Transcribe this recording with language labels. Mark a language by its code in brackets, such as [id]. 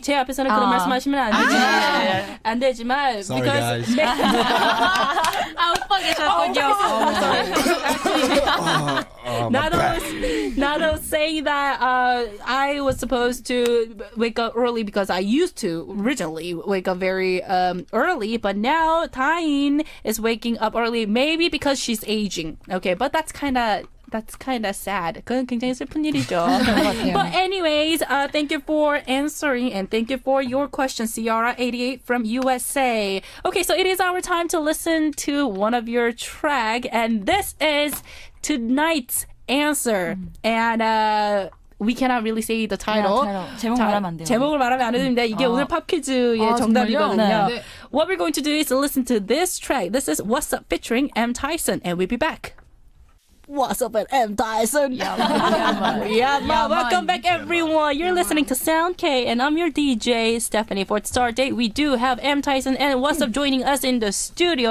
[ko] 제 앞에서는 그런 말씀하시면 안 되지만 안 되지만 [en] sorry, because guys. [ko] 아 오빠 계셨군요. [en] Oh, sorry. Nado saying that I was supposed to wake up early because I used to originally wake up very early, but now Tain is waking up early maybe because she's aging. Okay, but that's kind of sad. [ko] 그건 굉장히 슬픈 일이죠. [en] But anyways, thank you for answering and thank you for your question, Ciara 88 from USA. Okay, so it is our time to listen to one of your track, and this is tonight's answer. And we cannot really say the title. Yeah, title. [ko] 제목 말하면 안 돼요. 제목을 말하면 안 되는데 이게 오늘 팝퀴즈의 정답이거든요. 네. [en] What we're going to do is listen to this track. This is WASSUP featuring M.Tyson, and we'll be back. What's up at M.Tyson? Welcome back, everyone. You're listening to Sound K, and I'm your DJ, Stephanie. For Star Date, we do have M.Tyson and What's Up joining us in the studio.